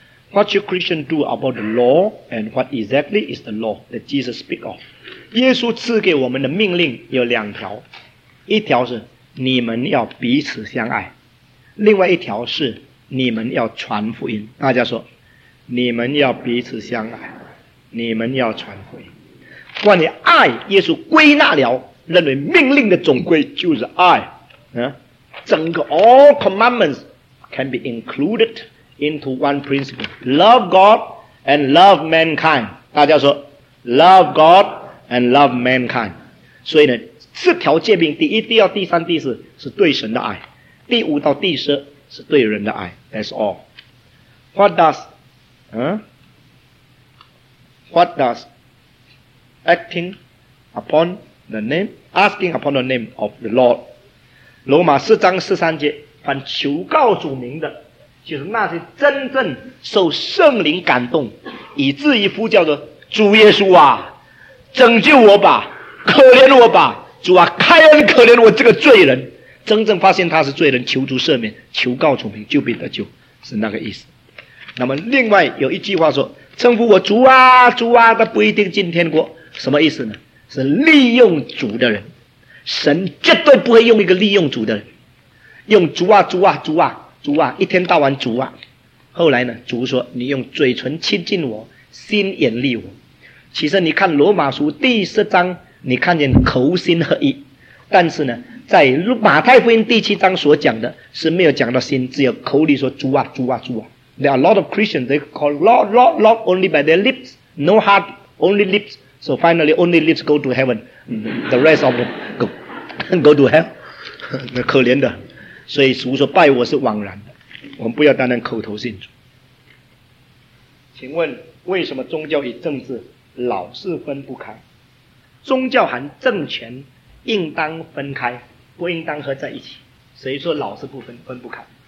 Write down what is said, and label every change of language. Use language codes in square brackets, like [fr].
[en] What should Christians do about the law and what exactly is the law that Jesus speak of? [zh] 耶稣赐给我们的命令有两条，一条是你们要彼此相爱，另外一条是你们要传福音。大家说，你们要彼此相爱，你们要传福音。关于爱，耶稣归纳了，认为命令的总归就是爱。整个 [en] all commandments can be included into one principle. Love God and love mankind. [zh] 大家说 [en] love God and love mankind. [zh] 所以呢，四条诫命，第一、第二、第三、第四是对神的爱，第五到第十是对人的爱。 [en] That's all. What does acting upon the name, asking upon the name of the Lord? [zh] 罗马4:13，凡求告主名的，就是那些真正受圣灵感动，以至于呼叫着主耶稣啊，拯救我吧，可怜我吧，主啊，开恩可怜我这个罪人。真正发现他是罪人，求主赦免，求告主名就必得救，是那个意思。那么另外有一句话说，称呼我主啊主啊，他不一定进天国，什么意思呢？是利用主的人。神绝对不会用一个利用主的人，用主啊主啊主啊主啊，一天到晚主啊。后来呢，主说你用嘴唇亲近我，心眼力我。其实你看罗马书10，你看见口心合一，但是呢，在马太福音7所讲的是没有讲到心，只有口里说主啊主啊主啊。 [en] There are a lot of Christians, they call Lord Lord Lord only by their lips, no heart, only lips, so finally only lips go to heaven, the rest of them go to hell， [zh] 那可怜的。所以主说拜我是枉然的，我们不要单单口头信主。请问为什么宗教与政治老是分不开？宗教和政权应当分开，不应当合在一起，谁说老是分不开？